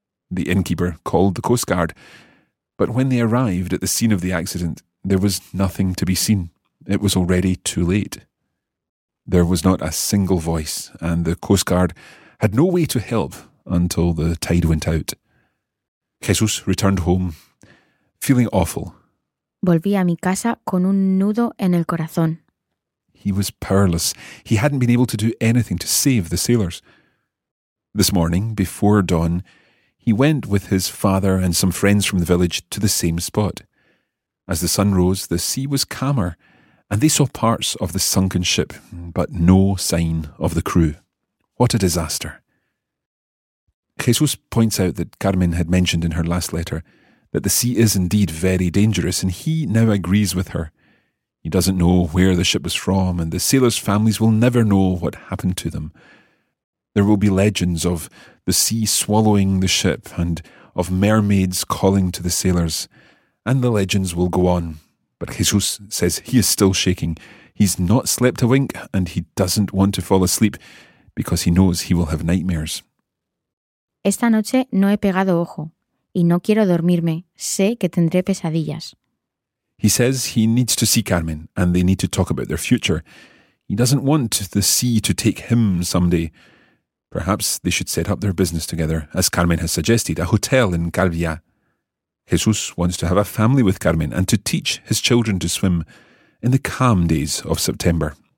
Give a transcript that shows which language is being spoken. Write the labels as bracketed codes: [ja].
[en] The innkeeper called the Coast Guard. But when they arrived at the scene of the accident, there was nothing to be seen. It was already too late. There was not a single voice, and the Coast Guard had no way to help until the tide went out. Jesús returned home, feeling awful. [es] Volví a mi casa con un nudo en el corazón. [en] He was powerless. He hadn't been able to do anything to save the sailors. This morning, before dawn, he went with his father and some friends from the village to the same spot. As the sun rose, the sea was calmer, and they saw parts of the sunken ship, but no sign of the crew. What a disaster. Jesús points out that Carmen had mentioned in her last letter that the sea is indeed very dangerous, and he now agrees with her. He doesn't know where the ship was from, and the sailors' families will never know what happened to them. There will be legends of the sea swallowing the ship, and of mermaids calling to the sailors, and the legends will go on. But Jesús says he is still shaking. He's not slept a wink and he doesn't want to fall asleep because he knows he will have nightmares. [es] Esta noche no he pegado ojo y no quiero dormirme. Sé que tendré pesadillas. [en] He says he needs to see Carmen and they need to talk about their future. He doesn't want the sea to take him someday. Perhaps they should set up their business together, as Carmen has suggested, a hotel in Calvià. Jesús wants to have a family with Carmen and to teach his children to swim in the calm days of September.